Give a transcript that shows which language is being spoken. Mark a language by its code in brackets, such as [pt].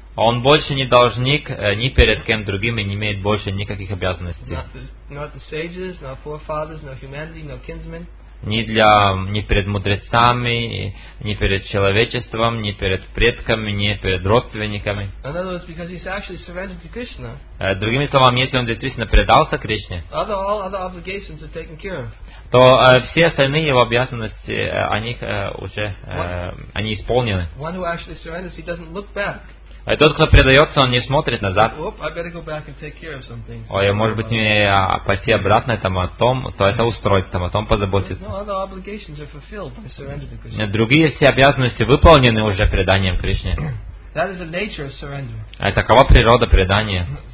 [ru] Он больше не должник ни перед кем другим и не имеет больше никаких обязанностей. [en] Not the sages, not forefathers, no humanity, no kinsmen. [ru] Ни перед мудрецами, ни перед человечеством, ни перед предками, ни перед родственниками. [en] In other words, because he's actually surrendered to Krishna. [ru] Другими словами, если он действительно предался Кришне, [en] all other obligations are taken care of. [ru] То все остальные его обязанности, они уже исполнены. [en] One who actually surrenders, he doesn't look back. [ru] А тот, кто предается, он не смотрит назад. Ой, может быть, мне пойти обратно там, о том, то это устроить, там, о том позаботиться. Нет, другие все обязанности выполнены уже преданием Кришне. А такова природа предания.